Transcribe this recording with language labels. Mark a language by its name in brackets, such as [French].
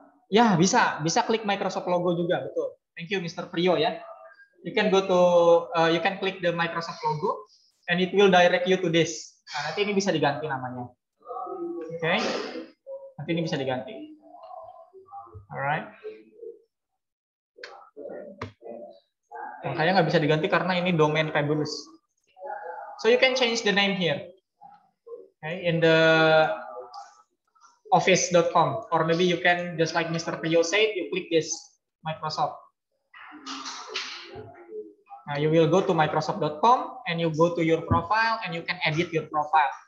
[Indonesian] Ya, bisa klik Microsoft logo juga, betul. [English] Thank you [Indonesian] Mr. Priyo ya. [English] You can go to you can click the Microsoft logo and it will direct you to this. [Indonesian] Nah, nanti ini bisa diganti namanya. Okay. Nanti ini bisa diganti. Alright. Nah, kayaknya enggak bisa diganti karena ini domain fabulous. [English] So you can change the name here. Okay, in the office.com, or maybe you can just like Mr. Priyo said, you click this Microsoft. Now you will go to microsoft.com and you go to your profile and you can edit your profile.